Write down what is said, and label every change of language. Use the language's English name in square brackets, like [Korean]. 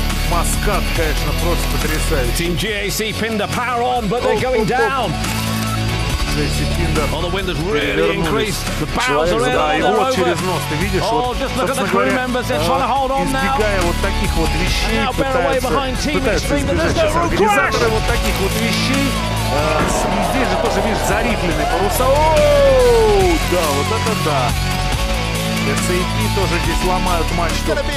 [Russian] Маскат, конечно, просто потрясающий. [English] Team GAC pinned the power on, but they're going down. Oh, the wind has really increased. The bows are in. [Russian] Да, вот через нос, ты видишь, вот, [English] just look at the crew members, they're trying to hold on now. [Russian] Избегая вот таких вот вещей, пытаются избежать. Организаторы вот таких вот вещей. Здесь же тоже, видишь, зарифленные паруса. О, да, вот это да. SAP тоже здесь ломают мачту.